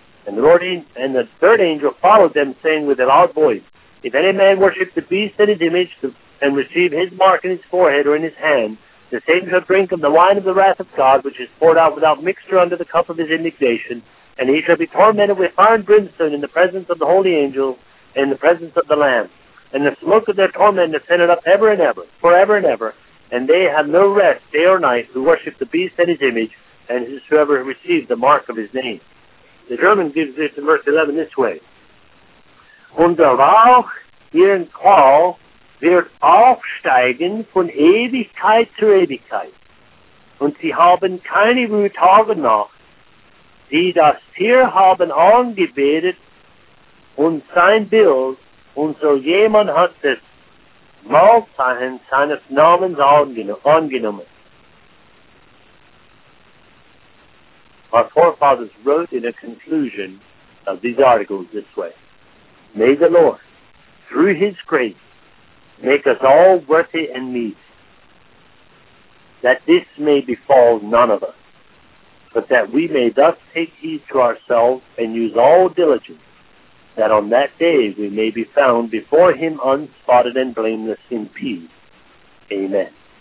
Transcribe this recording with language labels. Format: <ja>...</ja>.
<en>And the Lord and the third angel followed them, saying with a loud voice, if any man worship the beast and his image and receive his mark in his forehead or in his hand, the same shall drink of the wine of the wrath of God, which is poured out without mixture under the cup of his indignation, and he shall be tormented with fire and brimstone in the presence of the holy angels and in the presence of the Lamb. And the smoke of their torment ascended up ever and ever, forever and ever, and they have no rest day or night who worship the beast and his image, and whosoever receives the mark of his name. The German gives this in verse 11 this way.</en> <de>Und Rauch ihren Qual wird aufsteigen von Ewigkeit zu Ewigkeit. Und sie haben keine Ruhe Tage noch, die das Tier haben angebetet und sein Bild, und so jemand hat das Mahlzeichen seines Namens angenommen.</de> <en>Our forefathers wrote in a conclusion of these articles this way. May the Lord, through his grace, make us all worthy and meet, that this may befall none of us, but that we may thus take heed to ourselves and use all diligence, that on that day we may be found before him unspotted and blameless in peace. Amen.</en>